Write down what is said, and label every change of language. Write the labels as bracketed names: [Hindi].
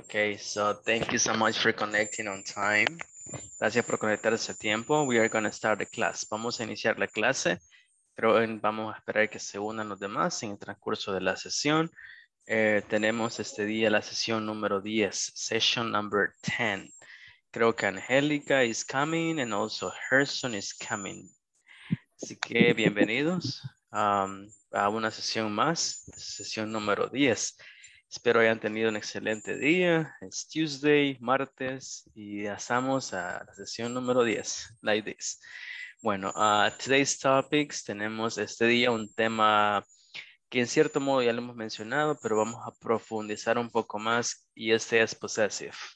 [English] Okay, so thank you so much for connecting on time. [Spanish] Gracias por conectarse a tiempo. [English] We are going to start the class. [Spanish] Vamos a iniciar la clase. Pero vamos a esperar que se unan los demás en el transcurso de la sesión. Tenemos este día la sesión número 10, [English] session number 10. [Spanish] Creo que [English] Angélica is coming and also Herson is coming. [Spanish] Así que bienvenidos a una sesión más, sesión número 10. Espero hayan tenido un excelente día. Es Tuesday, martes y pasamos a la sesión número 10, [English] like this. [Spanish] Bueno, [English] today's topics, [Spanish] tenemos este día un tema que en cierto modo ya lo hemos mencionado, pero vamos a profundizar un poco más, y este es possessive.